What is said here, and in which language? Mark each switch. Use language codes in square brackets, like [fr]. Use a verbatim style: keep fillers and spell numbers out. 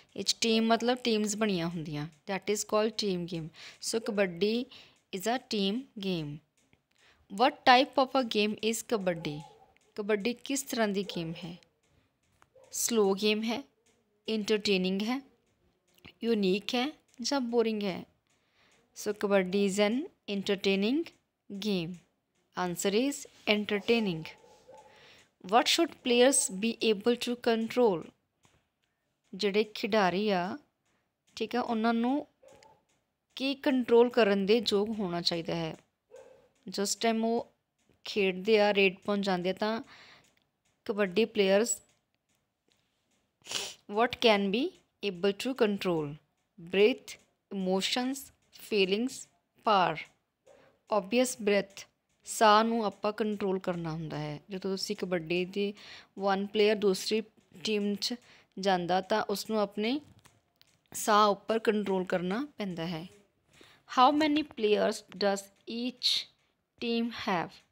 [pa] ਇਹ 'ਚ ਟੀਮ ਮਤਲਬ ਟੀਮਸ ਬਣੀਆਂ ਹੁੰਦੀਆਂ, [en] That is called team game. So kabaddi is a team game. What type of a game is kabaddi? [pa] Kabaddi ਕਿਸ ਤਰ੍ਹਾਂ ਦੀ ਗੇਮ ਹੈ? ਸਲੋ ਗੇਮ ਹੈ, ਇੰਟਰਟੇਨਿੰਗ ਹੈ, ਯੂਨੀਕ ਹੈ ਜਾਂ ਬੋਰਿੰਗ ਹੈ? [en] So, Kabaddi is an entertaining game. Answer is entertaining. What should players be able to control? [pa] ਜਿਹੜੇ ਖਿਡਾਰੀ ਆ, ਠੀਕ ਆ, ਉਹਨਾਂ ਨੂੰ ਕੀ ਕੰਟਰੋਲ ਕਰਨ ਦੇ ਯੋਗ ਹੋਣਾ ਚਾਹੀਦਾ ਹੈ? ਜਿਸ ਟਾਈਮ ਉਹ ਖੇਡਦੇ ਆ, ਰੇਡ ਪਹੁੰਚ ਜਾਂਦੇ ਆ, ਤਾਂ kabaddi players [en] what can be able to control? Breath, emotions, feelings, power. Obvious breath, [pa] ਸਾਹ ਨੂੰ ਆਪਾਂ ਕੰਟਰੋਲ ਕਰਨਾ ਹੁੰਦਾ ਹੈ। ਜਦੋਂ ਤੁਸੀਂ ਕਬੱਡੀ ਦੀ ਵਨ ਪਲੇਅਰ ਦੂਸਰੀ ਟੀਮ 'ਚ ਜਾਂਦਾ, ਤਾਂ ਉਸ ਨੂੰ ਆਪਣੇ ਸਾਹ ਉੱਪਰ ਕੰਟਰੋਲ ਕਰਨਾ ਪੈਂਦਾ ਹੈ। [en] How many players does each team have?